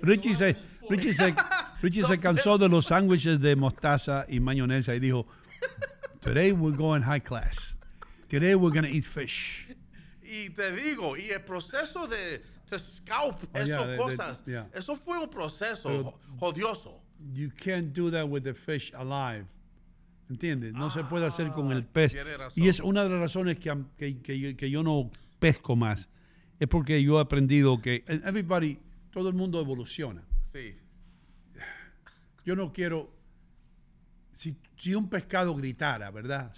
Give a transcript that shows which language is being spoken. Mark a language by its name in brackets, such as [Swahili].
[Spanish] Richie se cansó de los sándwiches de mostaza y mayonesa y dijo, [English] today we're going high class. Today we're going to eat fish. [Spanish] Y te digo, y el proceso de [English] to scalp [Spanish] eso fue un proceso jodioso. [English] You can't do that with the fish alive. [Spanish] ¿Entiendes? No se puede hacer con el pez. Y es una de las razones que yo no pesco más. Es porque yo he aprendido que everybody, todo el mundo evoluciona. Sí. Yo no quiero, si un pescado gritara, ¿verdad?